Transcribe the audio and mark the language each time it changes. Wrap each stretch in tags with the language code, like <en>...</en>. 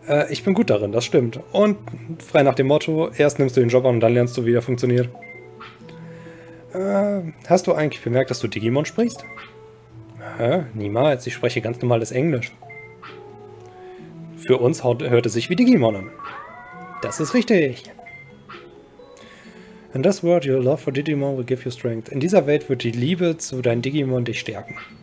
<de>Ich bin gut darin, das stimmt. Und frei nach dem Motto, erst nimmst du den Job an und dann lernst du, wie er funktioniert. Hast du eigentlich bemerkt, dass du Digimon sprichst? Niemals, ich spreche ganz normales Englisch. Für uns hört es sich wie Digimon an. Das ist richtig.</de> <en>In this world, your love for Digimon will give you strength.</en> <de>In dieser Welt wird die Liebe zu deinem Digimon dich stärken.</de>